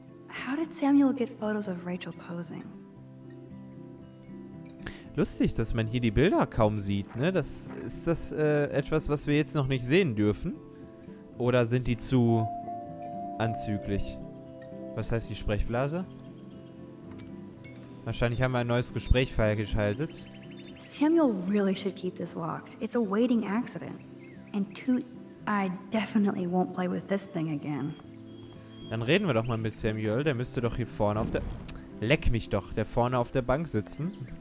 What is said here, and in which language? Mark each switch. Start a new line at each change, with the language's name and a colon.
English: How did Samuel get photos of Rachel posing?
German: Lustig, dass man hier die Bilder kaum sieht, ne? Ist das etwas, was wir jetzt noch nicht sehen dürfen? Oder sind die zu anzüglich? Was heißt die Sprechblase? Wahrscheinlich haben wir ein neues Gespräch freigeschaltet.
English: Samuel really should keep this locked. It's a waiting accident. And I definitely won't play with this thing again.
German: Dann reden wir doch mal mit Samuel. Der müsste doch hier vorne auf der... Leck mich doch, der vorne auf der Bank sitzen.